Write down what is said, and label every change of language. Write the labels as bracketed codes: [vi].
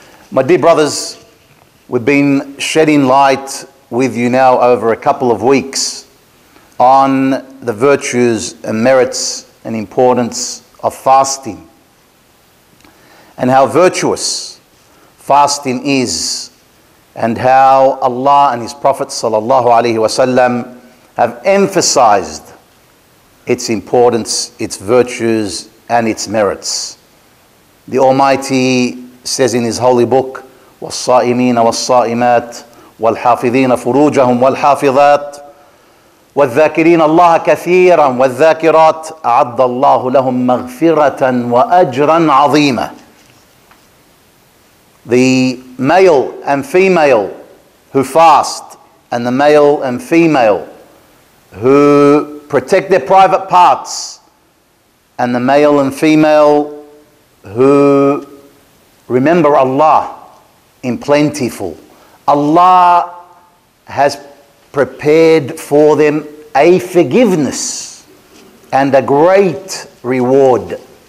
[en] My dear brothers, we've been shedding light with you now over a couple of weeks on the virtues and merits and importance of fasting, and how virtuous fasting is, and how Allah and His Prophet sallallahu alaihi wasallam have emphasized its importance, its virtues, and its merits. The Almighty says in His Holy Book, [ar] وَالصَّائِمِينَ وَالصَّائِمَاتِ وَالْحَافِظِينَ فُرُوجَهُمْ وَالْحَافِظَاتِ وَالذَّاكِرِينَ اللَّهَ كَثِيرًا وَالذَّاكِرَاتِ أَعَدَّ اللَّهُ لَهُمْ مَغْفِرَةً وَأَجْرًا عَظِيمًا. [en] The male and female who fast, and the male and female who protect their private parts, and the male and female who remember Allah in plentiful, Allah has prepared for them a forgiveness and a great reward.